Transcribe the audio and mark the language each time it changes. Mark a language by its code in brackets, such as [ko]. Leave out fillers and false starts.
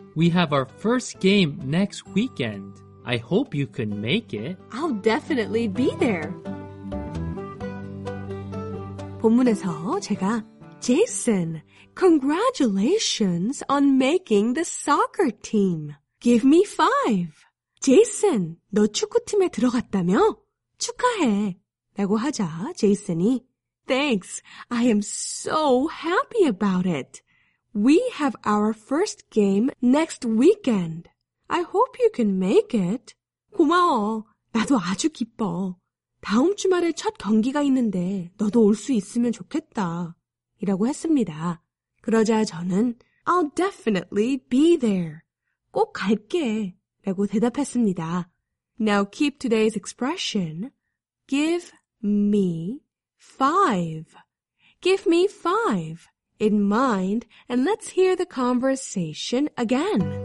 [en] We have our first game next weekend. I hope you can make it. I'll definitely be there. [ko] 본문에서 제가 [en] Jason, congratulations on making the soccer team. Give me five. [ko] Jason, 너 축구팀에 들어갔다며? 축하해. 라고 하자 Jason이 [en] Thanks, I am so happy about it. We have our first game next weekend. I hope you can make it. [ko] 고마워. 나도 아주 기뻐. 다음 주말에 첫 경기가 있는데 너도 올 수 있으면 좋겠다. 이라고 했습니다. 그러자 저는 [en] I'll definitely be there. [ko] 꼭 갈게. 라고 대답했습니다. [en] Now keep today's expression. Give me five. Give me five in mind and let's hear the conversation again.